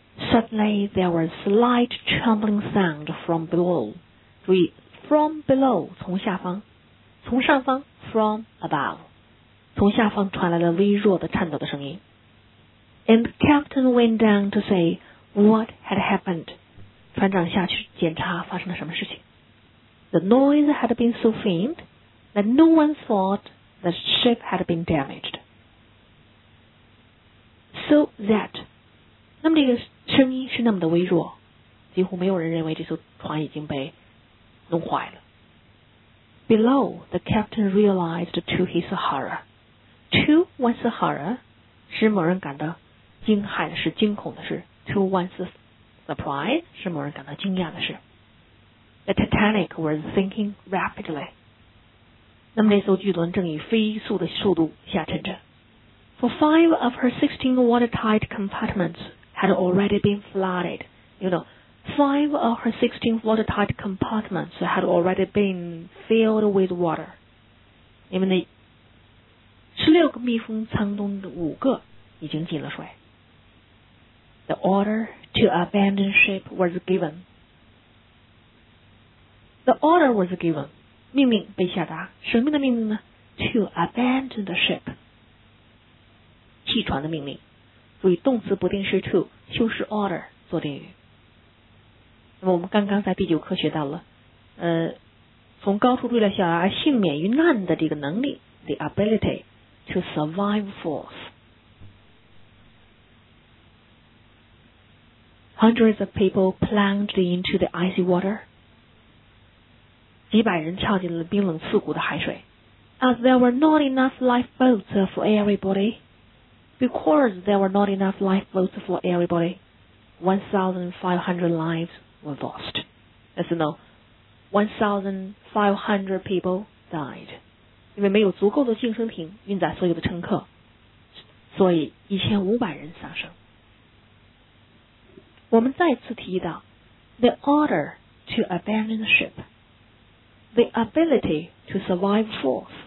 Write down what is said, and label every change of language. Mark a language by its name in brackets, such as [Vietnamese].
[English] Suddenly there was a slight trembling sound from below. [Chinese] 注意 [English] from below, [Chinese] 从下方，从上方 [English] from above, [Chinese] 从下方传来了微弱的颤抖的声音。 [English] And the captain went down to say what had happened. [Chinese] 船长下去检查发生了什么事情。 [English] The noise had been so faintthat no one thought the ship had been damaged. So that, [Chinese] 那么这个声音是那么的微弱，几乎没有人认为这艘船已经被弄坏了。 [English] Below, the captain realized to his horror. To one's horror, [Chinese] 使某人感到惊骇的是惊恐的是 [English] To one's surprise, [Chinese] 使某人感到惊讶的是 [English] The Titanic was sinking rapidly. [Chinese] 那么那艘巨轮正以飞速的速度下沉着。 [English] For five of her 16 watertight compartments had already been flooded. You know, five of her 16 watertight compartments had already been filled with water. [Chinese] 因为那16个密封舱中的五个已经进了水。 [English] The order to abandon ship was given. The order was given. [Chinese] 命令被下达，什么的命令呢 ？ [English] To abandon the ship， [Chinese] 弃船的命令。注意动词不定式 to 修饰 order 做定语。那么我们刚刚在第九课学到了，从高处坠落下来而幸免于难的这个能力 ， [English] the ability to survive falls。 Hundreds of people plunged into the icy water. [Chinese] 几百人跳进了冰冷刺骨的海水。 [English] As there were not enough lifeboats for everybody, because there were not enough lifeboats for everybody, 1,500 lives were lost. As you know, 1,500 people died. [Chinese] 因为没有足够的救生艇运载所有的乘客，所以1,500人丧生。我们再次提到 [English] the order to abandon the ship, the ability to survive falls.